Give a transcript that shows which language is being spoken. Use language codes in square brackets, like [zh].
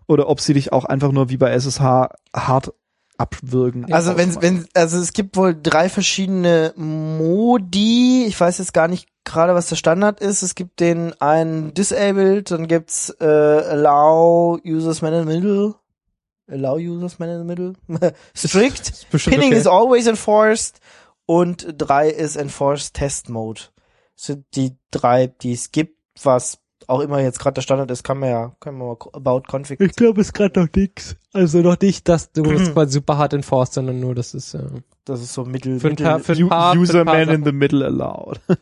[de] Oder ob sie dich auch einfach nur wie bei SSH hart abwürgen. Also wenn, also es gibt wohl drei verschiedene Modi, ich weiß jetzt gar nicht gerade, was der Standard ist. Es gibt den einen Disabled, dann gibt's Allow Users Man in the Middle. [en] Allow Users Man in the Middle. Strict. Pinning is always enforced. [de] Und drei ist Enforced Test Mode. Das sind die drei, die es gibt, was auch immer jetzt gerade der Standard ist, kann man ja, können wir mal about config. Ich glaube, es ist gerade noch nix. Also noch nicht, dass du es mal super hart enforced, sondern nur, dass es das ist so mittel, [en] User Man in the Middle allowed.